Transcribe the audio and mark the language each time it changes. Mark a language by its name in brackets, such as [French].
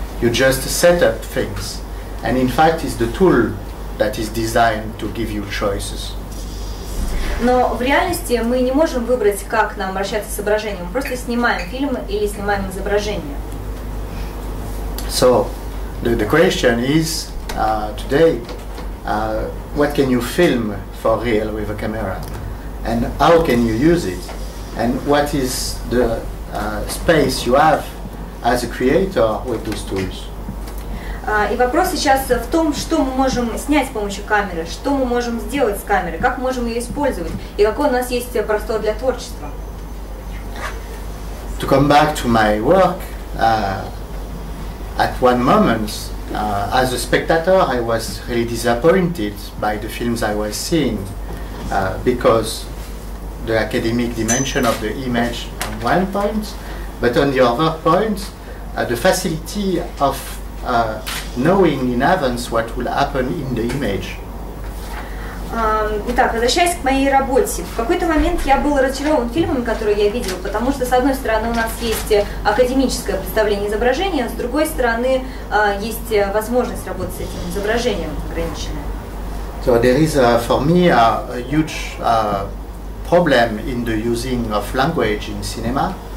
[English] You just set up things. And in fact, it's the tool that is designed to give you choices. [Russian] Но в реальности мы не можем выбрать, как нам обращаться с изображением. Мы просто снимаем фильм или снимаем изображение. [English] So, the question is today, what can you film for real with a camera, and how can you use it, and what is the space you have as a creator with those tools? [Russian] И вопрос сейчас в том, что мы можем снять с помощью камеры, что мы можем сделать с камерой, как можем ее использовать, и какой у нас есть простор для творчества. [English] To come back to my work. At one moment, as a spectator, I was really disappointed by the films I was seeing because the academic dimension of the image on one point, but on the other point, the facility of knowing in advance what will happen in the image. [Russian] Итак, возвращаясь к моей работе. В какой-то момент я был разочарован фильмами, которые я видел, потому что, с одной стороны, у нас есть академическое представление изображения, с другой стороны, есть возможность работать с этим изображением ограниченное. [English] So there is, for me, a huge problem in the using of language in cinema.